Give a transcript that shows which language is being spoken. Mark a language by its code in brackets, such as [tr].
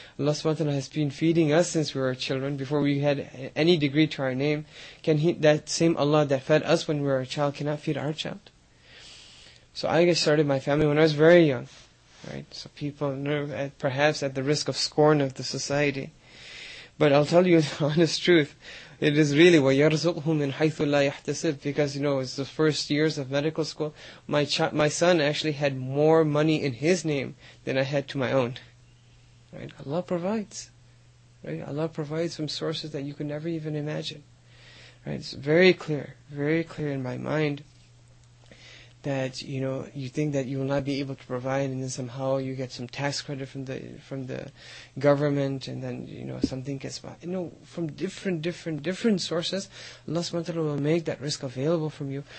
[en] Allah subhanahu wa ta'ala has been feeding us since we were children, before we had any degree to our name. Can He, that same Allah that fed us when we were a child, cannot feed our child? So I started my family when I was very young. Right? So people, perhaps at the risk of scorn of the society. But I'll tell you the honest truth. It is really [ar] وَيَرْزُقْهُ مِنْ حَيْثُ لَا يَحْتَسِبْ. [en] Because, you know, it was the first years of medical school. My son actually had more money in his name than I had to my own. Right? Allah provides. Right? Allah provides from sources that you could never even imagine. Right? It's very clear in my mind that, you know, you think that you will not be able to provide, and then somehow you get some tax credit from the government, and then, you know, something gets, you know, from different sources, Allah subhanahu wa ta'ala will make that risk available from you.